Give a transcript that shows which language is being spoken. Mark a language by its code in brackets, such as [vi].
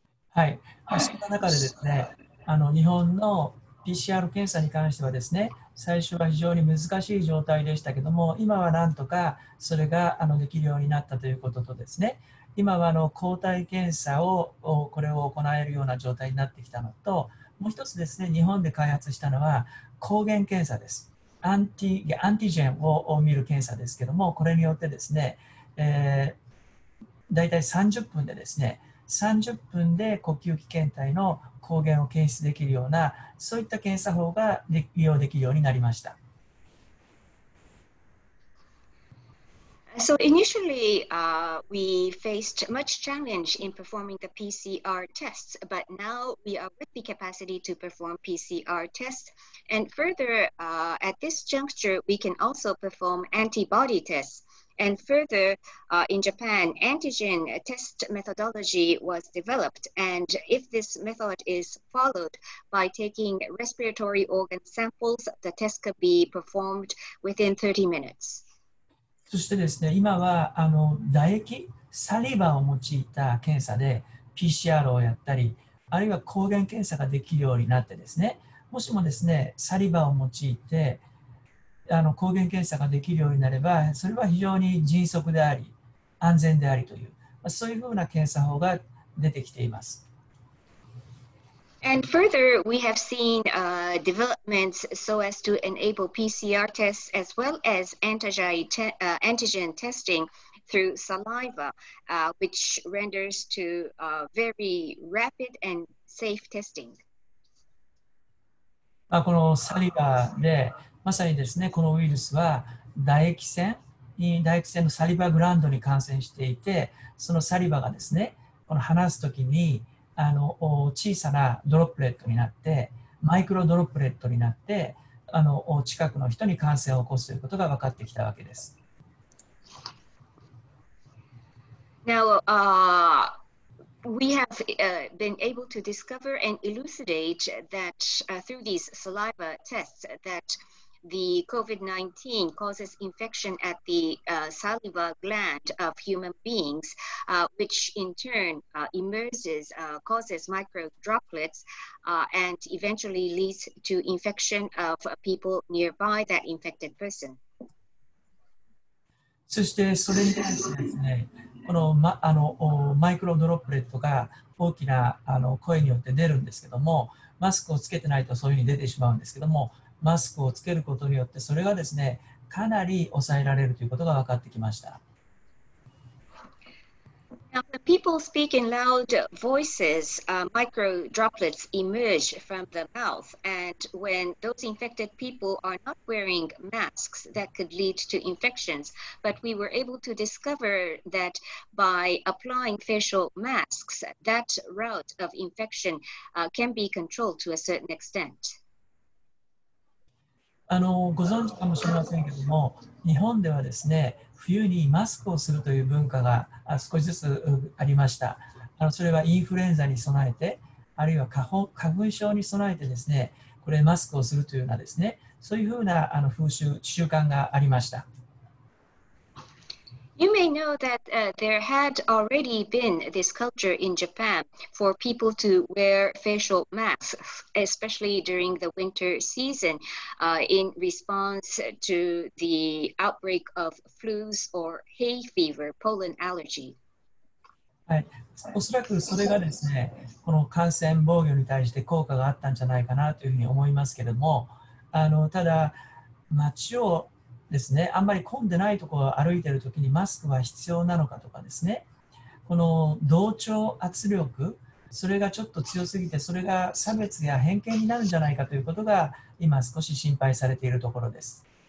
[ja] はい、そんな中でですね、日本の PCR 検査に関してはですね、最初は非常に難しい状態でしたけども、今はなんとかそれができるようになったということとですね、今は抗体検査をこれを行えるような状態になってきたのと、もう一つですね、日本で開発したのは抗原検査です。アンティジェンを見る検査ですけども、これによってですね、だいたい30分でですね、30分で呼吸器検体の抗原を検出できるような、そういった検査法が利用できるようになりました。 [en] So initially, we faced much challenge in performing the PCR tests, but now we are with the capacity to perform PCR tests. And further, at this juncture, we can also perform antibody tests. And further, in Japan, antigen test methodology was developed. And if this method is followed by taking respiratory organ samples, the test could be performed within 30 minutes. [ja] そしてですね、今は唾液、サリバを用いた検査で PCR をやったり、あるいは抗原検査ができるようになってですね、もしもですね、サリバを用いて、抗原検査ができるようになれば、それは非常に迅速であり、安全でありという、そういうふうな検査法が出てきています。 [en] And further, we have seen developments so as to enable PCR tests as well as antigen testing through saliva, which renders to very rapid and safe testing. [ja] このサリバで、まさにですね、このウイルスは唾液腺のサリバグランドに感染していて、そのサリバがですね、この話すときに小さなドロップレットになって、マイクロドロップレットになって、あの近くの人に感染を起こすということが分かってきたわけです。 [en] Now, we have been able to discover and elucidate that through these saliva tests that the COVID-19 causes infection at the saliva gland of human beings, which in turn immerses, causes micro droplets, and eventually leads to infection of people nearby that infected person. [ja] そしてそれに対してですね、この、ま、あのマイクロドロップレットが大きなあの声によって出るんですけども、マスクをつけてないとそういうふうに出てしまうんですけども、マスクをつけることによってそれがですね、かなり抑えられるということが分かってきました。 [en] Now, the people speak in loud voices, micro droplets emerge from the mouth, and when those infected people are not wearing masks, that could lead to infections. But we were able to discover that by applying facial masks, that route of infection can be controlled to a certain extent. [ja] あの、ご存知かもしれませんけども、日本ではですね、冬にマスクをするという文化が少しずつありました。あのそれはインフルエンザに備えて、あるいは花粉症に備えてですね、これマスクをするというようなですね、そういうふうなあの風習習慣がありました。 [en] You may know that there had already been this culture in Japan for people to wear facial masks, especially during the winter season, in response to the outbreak of flus or hay fever, pollen allergy. [ja] はい、おそらくそれがですね、この感染防御に対して効果があったんじゃないかなというふうに思いますけれども、あのただ街をですね、あんまり混んでないところを歩いているときにマスクは必要なのかとかですね、この同調圧力、それがちょっと強すぎて、それが差別や偏見になるんじゃないかということが今少し心配されているところです。